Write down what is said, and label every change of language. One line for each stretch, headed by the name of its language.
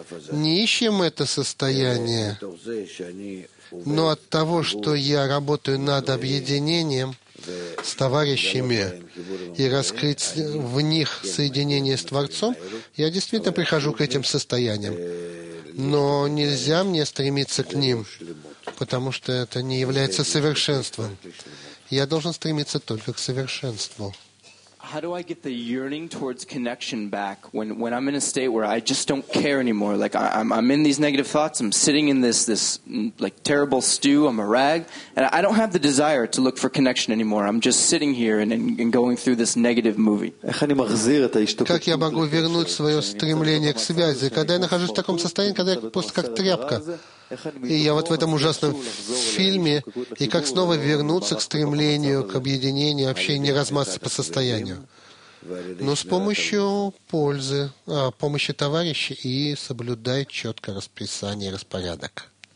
Russian: Не ищем это состояние, но от того, что я работаю над объединением с товарищами и раскрыть в них соединение с Творцом, я действительно прихожу к этим состояниям. Но нельзя мне стремиться к ним, потому что это не является совершенством. Я должен стремиться только к совершенству.
English: How do I get the yearning towards connection back when I'm in a state where I just don't care anymore? Like I'm in these negative thoughts. I'm sitting in this like terrible stew. I'm a rag, and I don't have the desire to look for connection anymore. I'm just sitting here and going through this negative movie.
Russian: Как я могу вернуть свое стремление к связи, когда я нахожусь в таком состоянии, когда я просто как тряпка? И я вот в этом ужасном фильме, и как снова вернуться к стремлению, к объединению, общению, размазаться по состоянию. Но с помощью пользы, помощи товарищей и соблюдая четко расписание, распорядок.